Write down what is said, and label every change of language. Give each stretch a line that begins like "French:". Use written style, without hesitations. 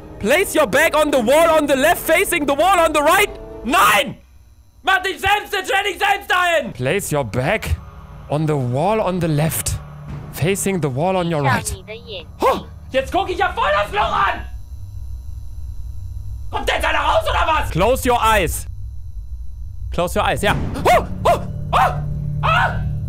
English: Place your back on the wall on the left, facing the wall on the right.
German: Nein! Mach dich selbst, dann stell dich selbst dahin!
English: Place your back on the wall on the left. Facing the wall on your right.
German: Oh, jetzt guck ich ja voll das Loch an! Kommt jetzt einer raus oder was?
English: Close your eyes. Close your eyes,
German: ja. Oh, oh, oh, ah.